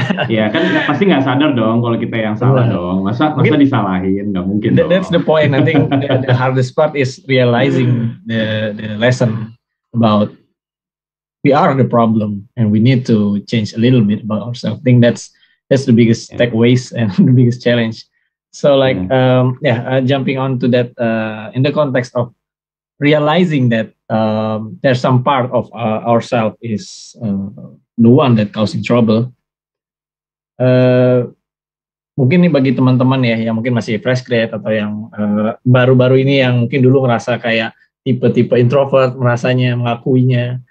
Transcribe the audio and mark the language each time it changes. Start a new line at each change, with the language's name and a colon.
Indonesian: Ya, kan pasti nggak sadar dong kalau kita yang salah dong. Masa disalahin, nggak mungkin.
English: That's the point. I think the hardest part is realizing the lesson about we are the problem and we need to change a little bit about ourselves. I think that's the biggest takeaways and the biggest challenge. So like jumping on to that in the context of realizing that there's some part of ourselves is the one that causing trouble.
Indonesian: Mungkin ini bagi teman-teman ya yang mungkin masih fresh grad atau yang baru-baru ini yang mungkin dulu ngerasa kayak tipe-tipe introvert, merasanya mengakuinya.